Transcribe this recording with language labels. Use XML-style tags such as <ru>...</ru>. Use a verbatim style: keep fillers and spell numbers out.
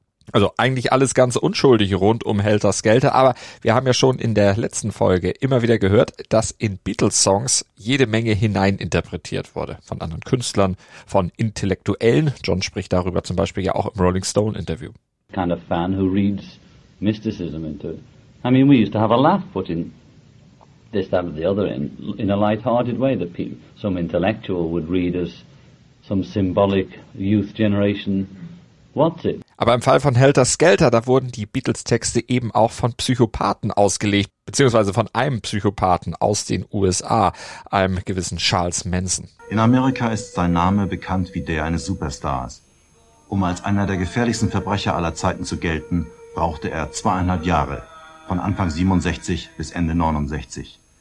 <de>Also eigentlich alles ganz unschuldig rund um Helter Skelter, aber wir haben ja schon in der letzten Folge immer wieder gehört, dass in Beatles-Songs jede Menge hineininterpretiert wurde. Von anderen Künstlern, von Intellektuellen. John spricht darüber zum Beispiel ja auch im Rolling Stone-Interview.</de> <en>Kind of fan who reads mysticism into it. I mean, we used to have a laugh put in this, that, and the other in, in a light-hearted way that people, some intellectual would read as some symbolic youth generation. What's it?</en> <de>Aber im Fall von Helter Skelter, da wurden die Beatles-Texte eben auch von Psychopathen ausgelegt, beziehungsweise von einem Psychopathen aus den U S A, einem gewissen Charles Manson. In Amerika ist sein Name bekannt wie der eines Superstars. Um als einer der gefährlichsten Verbrecher aller Zeiten zu gelten, brauchte er zweieinhalb Jahre, von Anfang siebenundsechzig bis Ende neunundsechzig.</de>